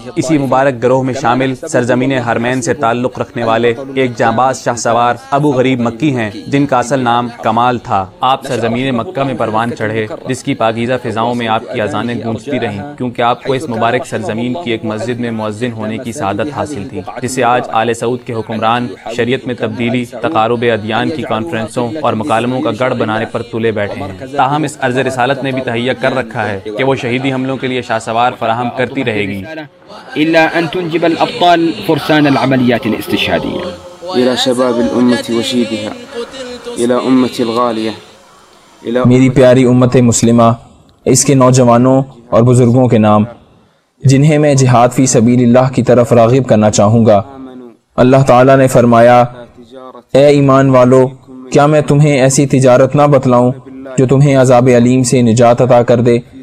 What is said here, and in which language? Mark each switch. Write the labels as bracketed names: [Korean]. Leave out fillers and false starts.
[Urdu] اسی مبارک گروہ میں شامل سرزمین حرمین سے تعلق رکھنے والے ایک جانباز شاہ سوار ابو غریب مکی ہیں، جن کا اصل نام کمال تھا۔ آپ سرزمین مکہ میں پروان چڑھے، جس کی پاکیزہ فضاؤں میں آپ کی اذانیں گونجتی رہیں، کیونکہ آپ کو اس مبارک سرزمین کی ایک مسجد میں مؤذن ہونے کی سعادت حاصل تھی، جسے آج آل سعود کے حکمران شریعت میں تبدیلی، تقارب ادیان کی کانفرنسوں اور مکالموں کا گڑھ بنانے پر تلے بیٹھے ہیں۔ تاہم اس عرض رسالت نے بھی تہیا کر رکھا ہے کہ وہ شہیدی حملوں کے لیے شاہ سوار فراہم کرتی رہے گی۔ [Arabic] الا ان تنجب الابطال فرسان العمليات الاستشهاديه الى شباب الامه وشيبها الى امتي الغاليه الى [Urdu] میری پیاری امت مسلمہ، اس کے نوجوانوں اور بزرگوں کے نام جنہیں میں جہاد فی سبیل اللہ کی طرف راغب کرنا چاہوں گا۔ اللہ تعالی نے فرمایا، اے ایمان والو، کیا میں تمہیں ایسی تجارت نہ بتلاؤں جو تمہیں عذاب علیم سے نجات عطا کر دے؟